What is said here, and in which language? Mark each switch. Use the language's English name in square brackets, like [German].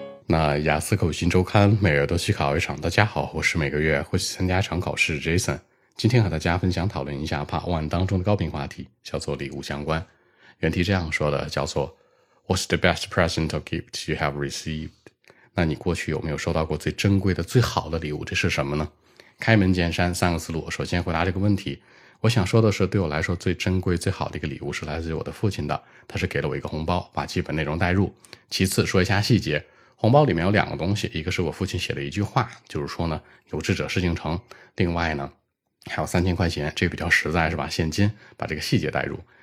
[Chinese] 那雅思口语新周刊每月都去考一场。大家好，我是每个月会去参加一场考试 Jason。今天和大家分享讨论一下 Part 1当中的高频话题，叫做礼物相关。原题这样说的，叫做 [English] What's the best present or gift you have received? [Chinese] 那你过去有没有收到过最珍贵的最好的礼物，这是什么呢？开门见山三个思路。首先回答这个问题，我想说的是，对我来说最珍贵最好的一个礼物是来自于我的父亲的，他是给了我一个红包，把基本内容带入。其次说一下细节，红包里面有两个东西，一个是我父亲写的一句话，就是说呢，有志者事竟成，另外呢还有3000块钱，这个比较实在是吧，现金，把这个细节带入。